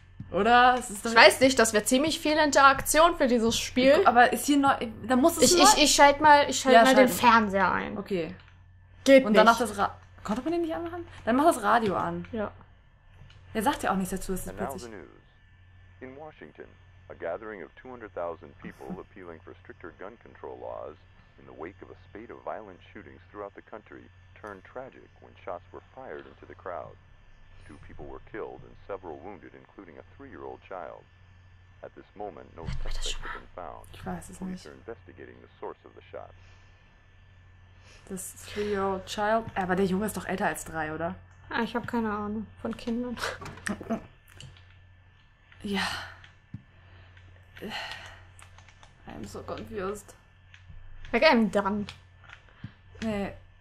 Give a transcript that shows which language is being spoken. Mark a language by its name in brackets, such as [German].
[German] Oder? Es ist doch, ich weiß nicht, das wäre ziemlich viel Interaktion für dieses Spiel. Aber ist hier neu. Da muss es nicht. Ich schalte mal den Fernseher ein. Okay. Geht und danach das Radio. Konnte man den nicht anmachen? Dann mach das Radio an. Ja. Er sagt ja auch nichts dazu, es ist plötzlich. [English] In Washington, a gathering of 200,000 people appealing for stricter gun control laws in the wake of a spate of violent shootings throughout the country turned tragic when shots were fired into the crowd. Two people were killed and several wounded, including a 3-year-old child. At this moment, no suspects have been found. [German] Ich weiß es nicht. [English] Police are investigating the source of the shots. This 3-year-old child? [German] Aber der Junge ist doch älter als 3, oder? Ich habe keine Ahnung von Kindern. Ja. [English] I'm so confused. Okay, I'm done. [German] Nee.